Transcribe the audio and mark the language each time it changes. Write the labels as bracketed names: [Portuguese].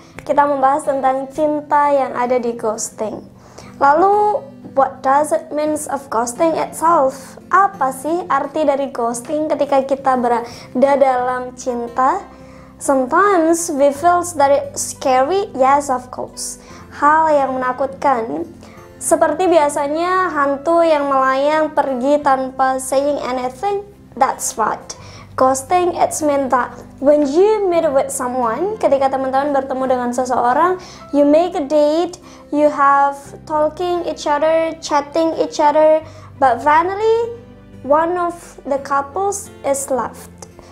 [Indonesian] Kita membahas tentang cinta yang ada di ghosting. Lalu, [English] what does it means of ghosting itself? [Indonesian] Apa sih arti dari ghosting ketika kita berada dalam cinta? [English] Sometimes we feel that it's scary, yes of course. [Indonesian] Hal yang menakutkan. Seperti biasanya hantu yang melayang pergi tanpa [English] saying anything. That's right. Ghosting, it's mean that when you meet with someone, [Indonesian] ketika teman-teman bertemu dengan seseorang, [English] you make a date, you have talking each other, chatting each other, but finally, one of the couples is left.